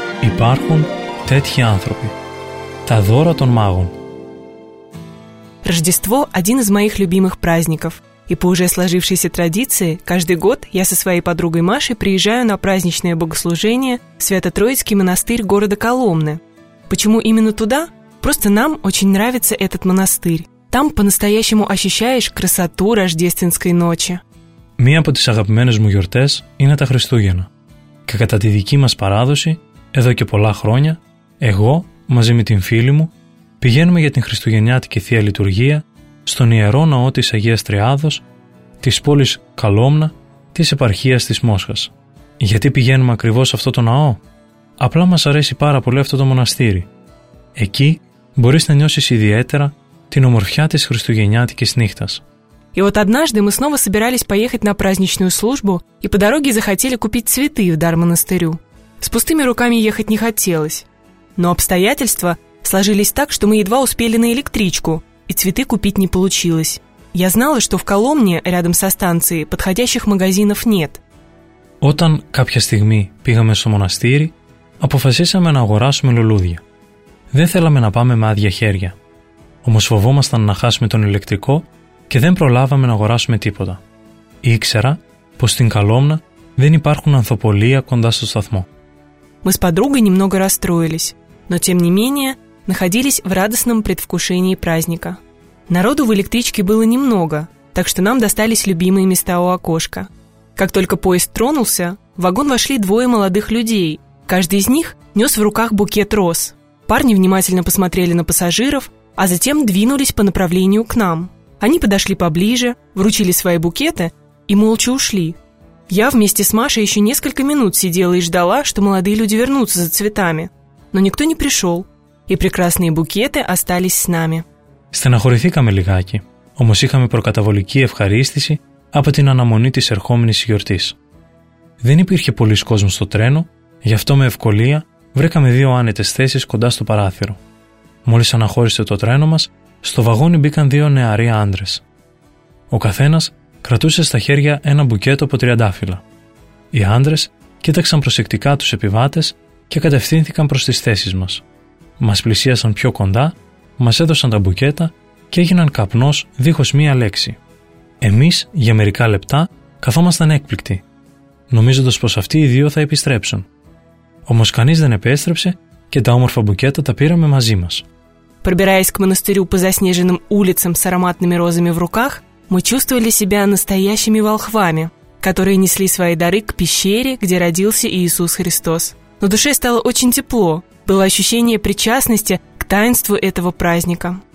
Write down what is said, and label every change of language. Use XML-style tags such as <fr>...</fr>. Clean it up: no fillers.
<el>Υπάρχουν τέτοιοι άνθρωποι. Τα δώρα των μάγων.</el> <ru>Рождество – один из моих любимых праздников. И по уже сложившейся традиции, каждый год я со своей подругой Машей приезжаю на праздничное богослужение в Свято-Троицкий монастырь города Коломны. Почему именно туда? Просто нам очень нравится этот монастырь. Там по-настоящему ощущаешь красоту рождественской ночи.</ru> <el>Мия από τις αγαπημένες μου γιορτές είναι τα Χριστούγεννα. Και κατά τη δική μας παράδοση, εδώ και πολλά χρόνια, εγώ, μαζί με την φίλη μου, πηγαίνουμε για την Χριστουγεννιάτικη Θεία Λειτουργία στον Ιερό Ναό της Αγίας Τριάδος, της πόλης Καλόμνα, της επαρχίας της Μόσχας. Γιατί πηγαίνουμε ακριβώς σε αυτό το ναό? Απλά μας αρέσει πάρα πολύ αυτό το μοναστήρι. Εκεί μπορείς να νιώσεις ιδιαίτερα την ομορφιά της Χριστουγεννιάτικης νύχτας.</el> <ru>И вот однажды мы снова собирались поехать на праздничную службу и по дороге захотели купить цветы в дар монастырю. С пустыми руками ехать не хотелось. Но обстоятельства сложились так, что мы едва успели на электричку, и цветы купить не получилось. Я знала, что в Коломне, рядом со станцией, подходящих магазинов нет.</ru> <el>Όταν κάποια στιγμή πήγαμε στο μοναστήρι, αποφασίσαμε να αγοράσουμε λουλούδια. Δεν θέλαμε να πάμε με άδεια χέρια. Όμως φοβόμασταν να χάσουμε τον ηλεκτρικό και δεν προλάβαμε να αγοράσουμε τίποτα. Ήξερα πως στην Καλόμνα δεν υπάρχουν ανθοπολία κοντά στο σταθμό.</el> <ru>Мы с подругой немного расстроились, но тем не менее находились в радостном предвкушении праздника. Народу в электричке было немного, так что нам достались любимые места у окошка. Как только поезд тронулся, в вагон вошли двое молодых людей. Каждый из них нес в руках букет роз. Парни внимательно посмотрели на пассажиров, а затем двинулись по направлению к нам. Они подошли поближе, вручили свои букеты и молча ушли. Я вместе с Машей еще несколько минут сидела и ждала, что молодые люди вернутся за цветами. Но никто не пришел, и прекрасные букеты остались с нами.</ru> <el>Στεναχωρηθήκαμε λιγάκι, όμως είχαμε προκαταβολική ευχαρίστηση από την αναμονή της ερχόμενης γιορτής. Δεν υπήρχε πολύς κόσμος στο τρένο, γι' αυτό με ευκολία βρήκαμε δύο άνετες θέσεις κοντά στο παράθυρο. Μόλις αναχώρησε το τρένο μας, στο βαγόνι μπήκαν δύο νεαροί άντρες. Ο καθένας κρατούσε στα χέρια ένα μπουκέτο από τριαντάφυλλα. Οι άντρες κοίταξαν προσεκτικά τους επιβάτες και κατευθύνθηκαν προς τις θέσεις μας. Μας πλησίασαν πιο κοντά, μας έδωσαν τα μπουκέτα και έγιναν καπνός δίχως μία λέξη. Εμείς, για μερικά λεπτά, καθόμασταν έκπληκτοι, νομίζοντας πως αυτοί οι δύο θα επιστρέψουν. Όμως κανείς δεν επέστρεψε και τα όμορφα μπουκέτα τα πήραμε μαζί μας.</el> <ru>Пробираясь к монастырю по заснеженным улицам с ароматными розами в руках, мы чувствовали себя настоящими волхвами, которые несли свои дары к пещере, где родился Иисус Христос. На душе стало очень тепло, было ощущение причастности к таинству этого праздника.</ru>